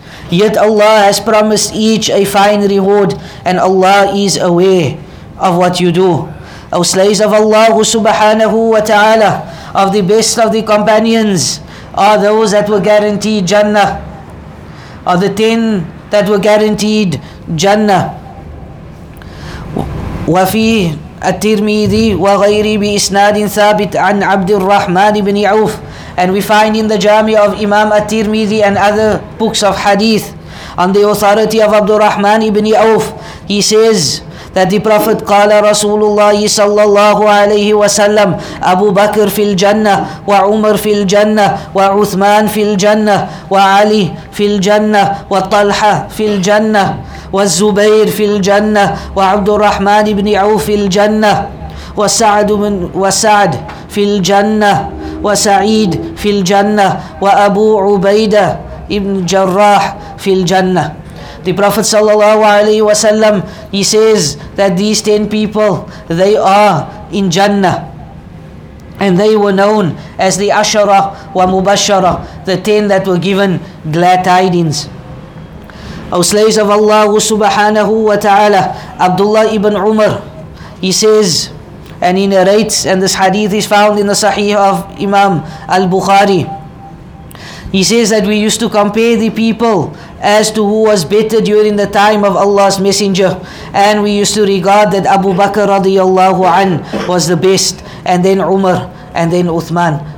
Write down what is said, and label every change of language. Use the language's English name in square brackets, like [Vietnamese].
[English] Yet Allah has promised each a fine reward, and Allah is aware of what you do. O slaves of Allah subhanahu wa ta'ala, of the best of the companions are those that were guaranteed Jannah, are the 10 that were guaranteed Jannah. [Arabic] وفي الترمذي وغيره بإسناد ثابت عن عبد الرحمن بن عوف. [English] And we find in the Jami of Imam At-Tirmidhi and other books of hadith on the authority of Abdul Rahman ibn Auf, he says that that the Prophet [Arabic] قال رسول الله صلى الله عليه وسلم أبو بكر في الجنة وعمر في الجنة وعثمان في الجنة وعلي في الجنة وطلحة في الجنة والزبير في الجنة وعبد الرحمن بن عوف في الجنة وسعد في الجنة وسعيد في الجنة وأبو عبيدة ابن جراح في الجنة. [English] The Prophet sallallahu alaihi wasallam, he says that these 10 people, they are in Jannah, and they were known as the Ashara wa Mubashara, the 10 that were given glad tidings. O slaves of Allah subhanahu wa ta'ala, Abdullah ibn Umar, he says, and he narrates, and this hadith is found in the Sahih of Imam al-Bukhari, he says that we used to compare the people as to who was better during the time of Allah's Messenger, and we used to regard that Abu Bakr radiyallahu an was the best, and then Umar, and then Uthman.